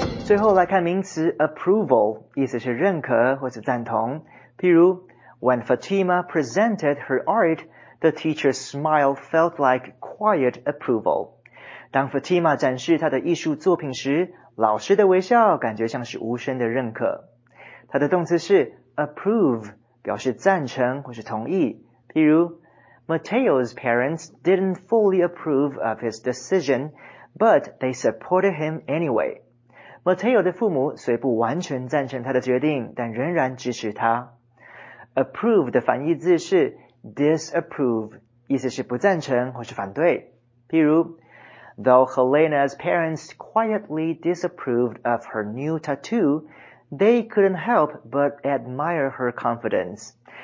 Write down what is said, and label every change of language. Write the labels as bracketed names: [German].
[Chinese] Approval 意思是认可或是赞同。譬如, [English] when Fatima presented her art, the teacher's smile felt like quiet approval. [Chinese] 当Fatima展示她的艺术作品时, 老师的微笑感觉像是无声的认可。它的动词是approve, 表示赞成或是同意。譬如, [English] Mateo's parents didn't fully approve of his decision, but they supported him anyway. [Chinese] Mateo的父母虽不完全赞成他的决定, 但仍然支持他。 Approve的反义字是 disapprove, 意思是不赞成或是反对。譬如, [English] though Helena's parents quietly disapproved of her new tattoo, they couldn't help but admire her confidence.